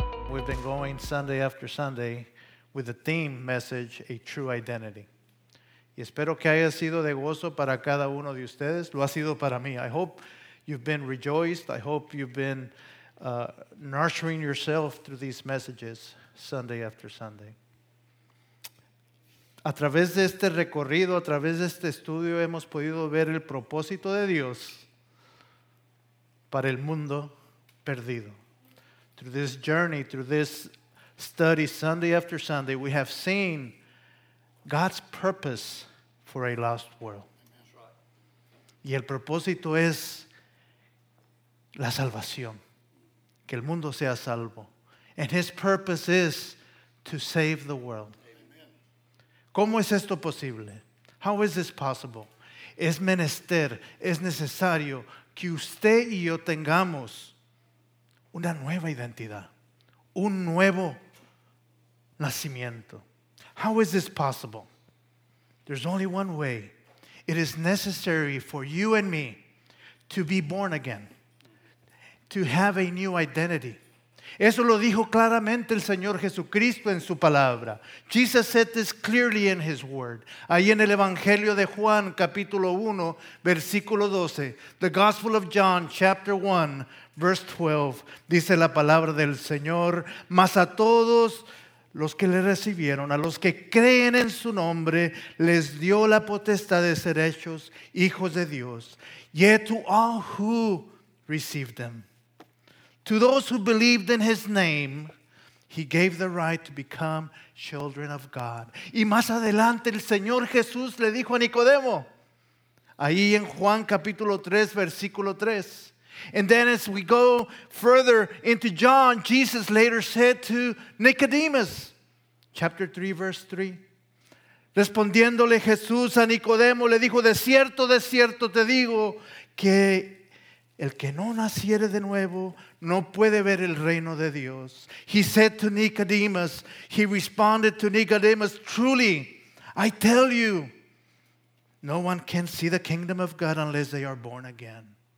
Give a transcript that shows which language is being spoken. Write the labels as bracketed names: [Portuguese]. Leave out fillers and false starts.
[English] we've been going Sunday after Sunday with the theme message, A True Identity. [Spanish] Y espero que haya sido de gozo para cada uno de ustedes. Lo ha sido para mí. [English] I hope you've been rejoiced. I hope you've been nurturing yourself through these messages Sunday after Sunday. [Spanish] A través de este recorrido, a través de este estudio, hemos podido ver el propósito de Dios para el mundo perdido. [English] Through this journey, through this study, Sunday after Sunday, we have seen God's purpose for a lost world. [Spanish] Y el propósito es la salvación, que el mundo sea salvo. [English] And His purpose is to save the world. [Spanish] ¿Cómo es esto posible? [English] How is this possible? [Spanish] Es menester, es necesario que usted y yo tengamos una nueva identidad, un nuevo nacimiento. [English] How is this possible? There's only one way. It is necessary for you and me to be born again, to have a new identity. [Spanish] Eso lo dijo claramente el Señor Jesucristo en su palabra. [English] Jesus said this clearly in his word. [Spanish] Ahí en el Evangelio de Juan, capítulo 1, versículo 12. [English] The Gospel of John, chapter 1, verse 12. [Spanish] Dice la palabra del Señor. Mas a todos los que le recibieron, a los que creen en su nombre, les dio la potestad de ser hechos hijos de Dios. [English] Yet to all who received them, to those who believed in His name, He gave the right to become children of God. [Spanish] Y más adelante el Señor Jesús le dijo a Nicodemo, ahí en Juan capítulo 3, versículo 3. [English] And then as we go further into John, Jesus later said to Nicodemus, chapter 3, verse 3. [Spanish] Respondiéndole Jesús a Nicodemo, le dijo, de cierto te digo que el que no naciere de nuevo no puede ver el reino de Dios. [English] He said to Nicodemus, he responded to Nicodemus, truly, I tell you, no one can see the kingdom of God unless they are born again.